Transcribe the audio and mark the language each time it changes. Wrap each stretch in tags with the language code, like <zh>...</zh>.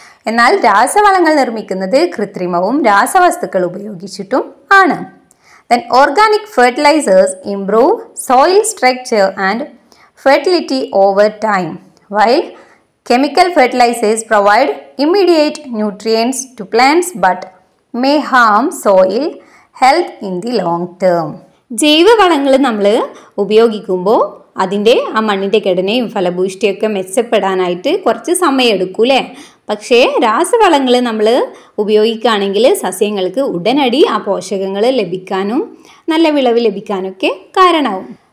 <ml>എന്നാൽ രാസവളങ്ങൾ നിർമ്മിക്കുന്നത് കൃത്രിമവും രാസവസ്തുക്കൾ ഉപയോഗിച്ചിട്ടും ആണ്.</ml> <en>Then organic fertilisers improve soil structure and fertility over time, while chemical fertilisers provide immediate nutrients to plants but may harm soil health in the long term.</en> <ml>ജൈവ വളങ്ങൾ നമ്മൾ ഉപയോഗിക്കുമ്പോൾ അതിൻ്റെ ആ മണ്ണിൻ്റെ ഘടനയും ഫലഭൂഷ്ടിയൊക്കെ മെച്ചപ്പെടാനായിട്ട് കുറച്ച് സമയമെടുക്കും അല്ലേ. പക്ഷേ രാസവളങ്ങൾ നമ്മൾ ഉപയോഗിക്കുകയാണെങ്കിൽ സസ്യങ്ങൾക്ക് ഉടനടി ആ പോഷകങ്ങൾ ലഭിക്കാനും നല്ല വിളവ് ലഭിക്കാനൊക്കെ കാരണമാവും.</ml>